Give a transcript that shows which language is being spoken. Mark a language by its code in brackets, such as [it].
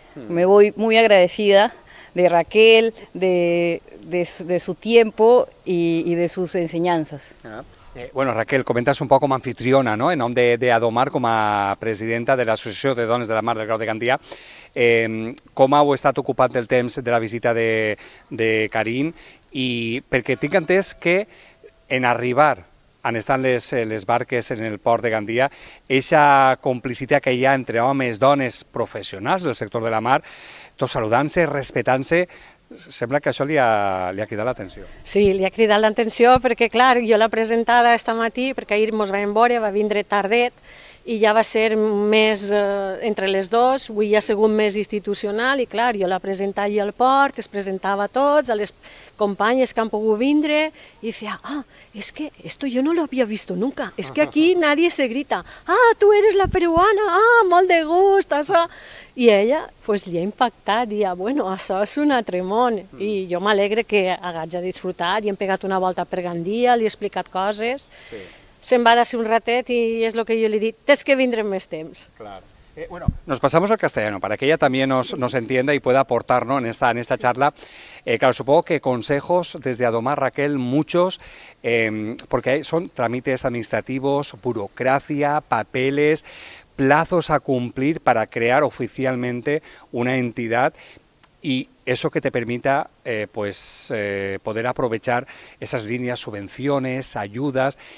[es] Me voy muy agradecida de Raquel, de su tiempo y de sus enseñanzas. Bueno, Raquel, comentas un poco como anfitriona, ¿no? En nombre de Adomar, como presidenta de la Asociación de Dones de la Mar del Grau de Gandía. [ca] ¿Cómo ha estat ocupant el temps de la visita de Karin? I perquè tinc entès que en arribar han estat les barques en el port de Gandia, aquesta complicitat que hi ha entre homes, dones, professionals del sector de la mar, tots saludant-se, respetant-se, sembla que això li ha cridat l'atenció. Sí, li ha cridat l'atenció perquè, clar, jo l'he presentada aquest matí, perquè ahir mos vam veure, va vindre tardet, i ja va ser més entre les dues, avui ja ha sigut més institucional, i clar, jo l'he presentat allà al port, es presentava a tots, a les companyes que han pogut vindre, i feia, és que [es] esto yo no lo había visto nunca, [ca] és que aquí [es] nadie se grita, tu eres la peruana, [ca] molt de gust, això. I ella, pues, li ha impactat, dia, bueno, això és un altre món, i jo m'alegre que hagués disfrutat, i hem pegat una volta per Gandia, li he explicat coses... Sí. Se'n va d'ací un ratet i és el que jo li he dit, tens que vindre més temps. [es] Claro. Bueno, nos pasamos al castellano, para que ella también nos entienda y pueda aportar, ¿no?, en esta charla. Claro, supongo que consejos desde Adomar, Raquel, muchos, porque son trámites administrativos, burocracia, papeles, plazos a cumplir para crear oficialmente una entidad y eso que te permita poder aprovechar esas líneas, subvenciones, ayudas...